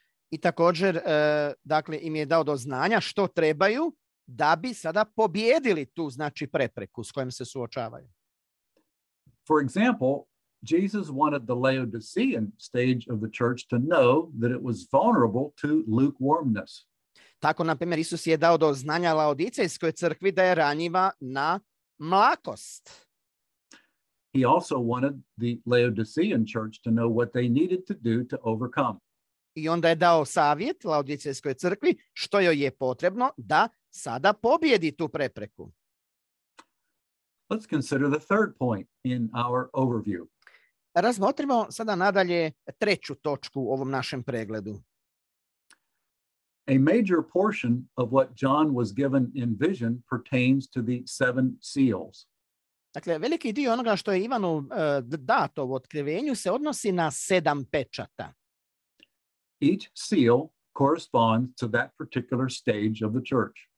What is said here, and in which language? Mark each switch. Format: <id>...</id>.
<hr>I također dakle, im je dao do znanja što trebaju da bi sada pobijedili tu znači, prepreku s kojom se suočavaju.</hr> <en>For example, Jesus wanted the Laodicean stage of the church to know that it was vulnerable to lukewarmness.</en> <hr>Tako, na primjer, Isus je dao do znanja Laodicejskoj crkvi da je ranjiva na mlakost.</hr> <en>He also wanted the Laodicean church to know what they needed to do to overcome.</en> <hr>I onda je dao savjet Laodicejskoj crkvi što joj je potrebno da sada pobijedi tu prepreku.</hr> <en>Let's consider the third point in our overview.</en> <hr>Razmotrimo sada nadalje treću točku u ovom našem pregledu.</hr> <en>A major portion of what John was given in vision pertains to the seven seals.</en> <hr>Dakle, veliki dio onoga što je Ivanu dato u otkrivenju se odnosi na sedam pečata.</hr> <en>Each seal corresponds to that particular stage of the church.</en>